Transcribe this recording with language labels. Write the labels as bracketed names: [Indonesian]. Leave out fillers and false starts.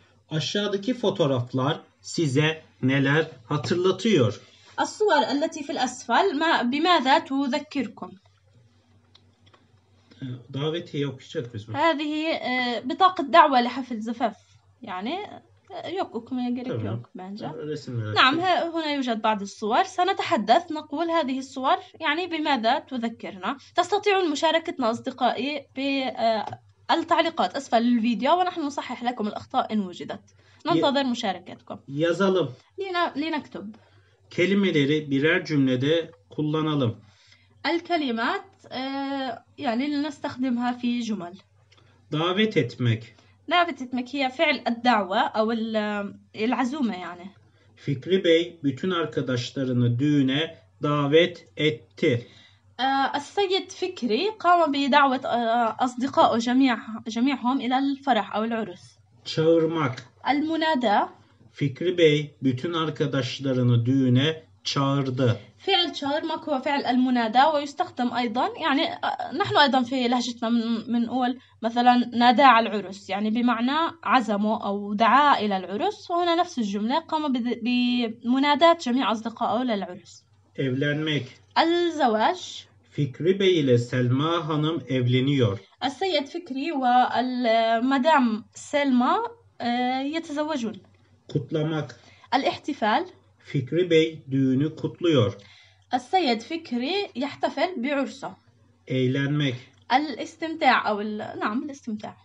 [Turkish] aşağıdaki fotoğraflar size neler hatırlatıyor? [Arabic] الصور التي في الأسفل ما بماذا تذكركم؟ [Turkish] davetiye okuyacak biz bunu. [Arabic] هذه بطاقة دعوة لحفل زفاف. يعني يوك أكمل جريك يوك بانجا. نعم، هنا يوجد بعض الصور. سنتحدث، نقول هذه الصور يعني بماذا تذكرنا. تستطيعون مشاركتنا أصدقائي بالتعليقات أسفل الفيديو ونحن نصحح لكم الأخطاء إن وجدت. ننتظر مشاركتكم. [Turkish] yazalım. [Arabic] لنكتب. [Turkish] kelimeleri birer cümlede kullanalım. [Arabic] الكلمات يعني لنستخدمها في جمل. [Turkish] davet etmek. [Arabic] davet etmek هي فعل الدعوة أو العزومة يعني. [Turkish] Fikri Bey bütün arkadaşlarını düğüne davet etti. [Arabic] السيد فكري قام بدعوة أصدقائه جميعهم إلى الفرح أو العرس. [Turkish] çağırmak. [Arabic] المنادى. [Turkish] Fikri Bey bütün arkadaşlarını düğüne çağırdı. [Arabic] فعل çağırmak هو فعل المنادى ويستخدم أيضا، يعني نحن أيضا في لهجتنا منقول مثلا نادى على العرس، يعني بمعنى عزمه أو دعا إلى العرس. وهنا نفس الجملة، قام بمناداة جميع أصدقائه للعرس. [Turkish] evlenmek. [Arabic] الزواج. [Turkish] Fikri Bey ile Selma Hanım evleniyor. [Arabic] السيد فكري والمدام سلمى يتزوجون. [Turkish] kutlamak. [Arabic] الاحتفال. [Turkish] Fikri Bey düğünü kutluyor. [Arabic] السيد فكري يحتفل بعرسه. [Turkish] eğlenmek. [Arabic] الاستمتاع أو نعم الاستمتاع.